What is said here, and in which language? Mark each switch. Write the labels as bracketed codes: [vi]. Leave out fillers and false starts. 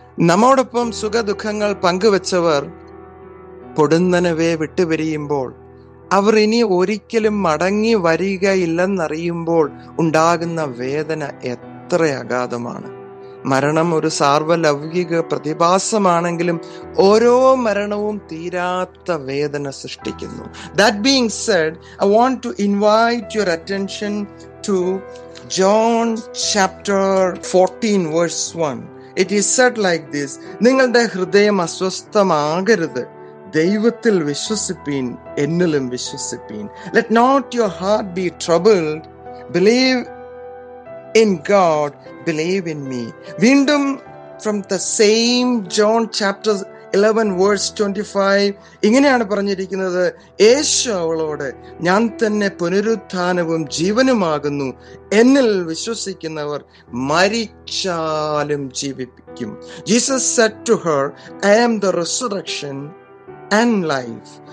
[ml] നമ്മോടൊപ്പം സുഖദുഃഖങ്ങൾ പങ്കുവച്ചവർ പൊടുന്നനവേ വിട്ടുപിരിയുമ്പോൾ, അവർ ഇനി ഒരിക്കലും മടങ്ങി വരികയില്ലെന്നറിയുമ്പോൾ ഉണ്ടാകുന്ന വേദന എത്ര അഗാധമാണ്. മരണം ഒരു സാർവലൗകിക പ്രതിഭാസമാണെങ്കിലും ഓരോ മരണവും തീരാത്ത വേദന സൃഷ്ടിക്കുന്നു. [en] That being said, I want to invite your attention to John chapter 14 verse 1. It is said like this: [ml] നിങ്ങളുടെ ഹൃദയം അസ്വസ്ഥമാകരുത്, ദൈവത്തിൽ വിശ്വസിപ്പീൻ, എന്നിലും വിശ്വസിപ്പീൻ. [en] Let not your heart be troubled. Believe in God, believe in me. [ml] Veendum [en] from the same John chapter 11 verse 25 [ml] ഇങ്ങനെയാണ് പറഞ്ഞിരിക്കുന്നത്, യേശു അവളോട്, ഞാൻ തന്നെ പുനരുത്ഥാനവും ജീവനുമാകുന്നു, എന്നിൽ വിശ്വസിക്കുന്നവർ മരിച്ചാലും ജീവിപ്പിക്കും. [en] Jesus said to her, I am the resurrection and life.